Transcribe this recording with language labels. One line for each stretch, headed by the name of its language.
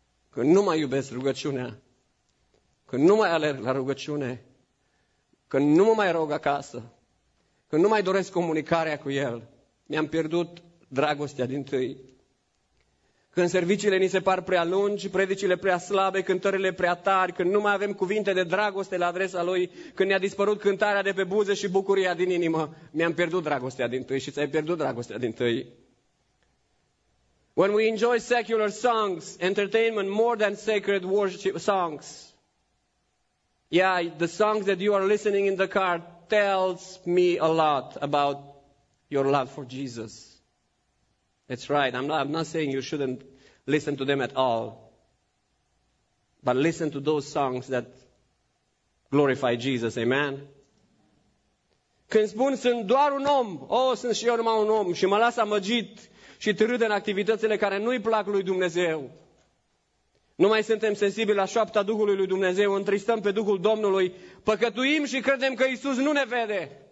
Romanian: Când nu mai iubesc rugăciunea, când nu mai alerg la rugăciune, când nu mă mai rog acasă, când nu mai doresc comunicarea cu El, mi-am pierdut dragostea din tâi. Când serviciile ni se par prea lungi, predicile prea slabe, cântările prea tari, când nu mai avem cuvinte de dragoste la adresa Lui, când ne-a dispărut cântarea de pe buze și bucuria din inimă, mi-am pierdut dragostea din tâi și ți-ai pierdut dragostea din tâi.
English: When we enjoy secular songs, entertainment more than sacred worship songs. Yeah, the songs that you are listening in the car tells me a lot about your love for Jesus. That's right. I'm not saying you shouldn't listen to them at all. But listen to those songs that glorify Jesus. Amen.
Romanian: Când spun sunt doar un om, oh, sunt și eu numai un om și mă las amăgit și târât în activitățile care nu-i plac lui Dumnezeu. Nu mai suntem sensibili la șoapta Duhului lui Dumnezeu, întristăm pe Duhul Domnului, păcătuim și credem că Iisus nu ne vede.